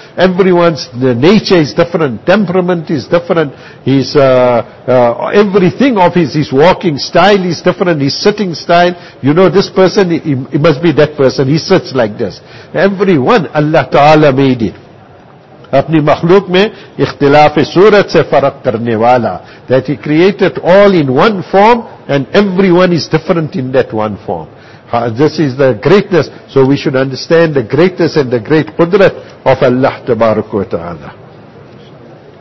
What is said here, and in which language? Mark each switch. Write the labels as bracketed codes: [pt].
[en] Everyone's nature is different, temperament is different, his everything of his walking style is different, his sitting style. You know this person, he must be that person, he sits like this. Everyone Allah Ta'ala made it. [ur] اپنی مخلوق میں اختلاف صورت سے فرق کرنے والا. [en] That he created all in one form, and everyone is different in that one form. This is the greatness. So we should understand the greatness and the great قدرت of Allah تبارک و تعالی.